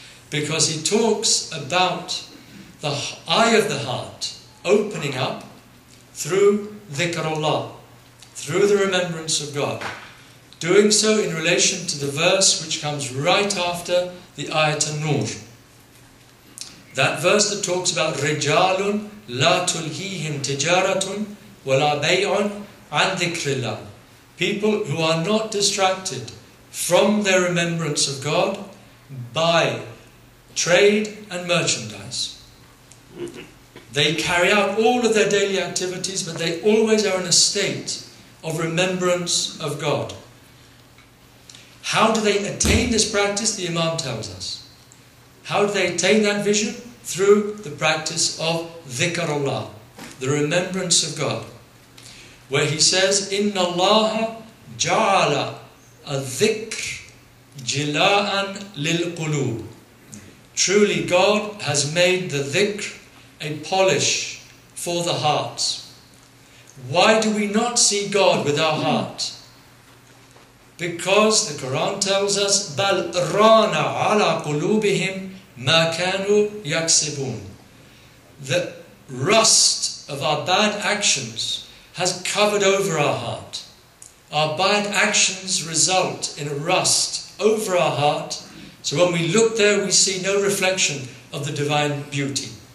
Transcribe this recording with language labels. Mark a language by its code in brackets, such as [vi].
[en] Because he talks about the eye of the heart opening up through dhikrullah, through the remembrance of God. Doing so in relation to the verse which comes right after the ayat al-Nur. That verse that talks about [ar] رِجَالٌ لَا تُلْهِيهِمْ تِجَارَةٌ وَلَا بَيْعٌ عَنْ ذِكْرِ اللَّهِ. [en] People who are not distracted from their remembrance of God by trade and merchandise. They carry out all of their daily activities, but they always are in a state of remembrance of God. How do they attain this practice? The Imam tells us. How do they attain that vision? Through the practice of dhikrullah, the remembrance of God. Where he says, [ar] Inna Allaha ja'ala al-dhikr jila'an lil-qulub. [en] Truly God has made the dhikr a polish for the hearts. Why do we not see God with our hearts? Because the Quran tells us, [ar] بَلْ رَانَ عَلَىٰ قُلُوبِهِمْ مَا كَانُوا يَكْسِبُونَ. [en] The rust of our bad actions has covered over our heart. Our bad actions result in a rust over our heart. So when we look there, we see no reflection of the divine beauty.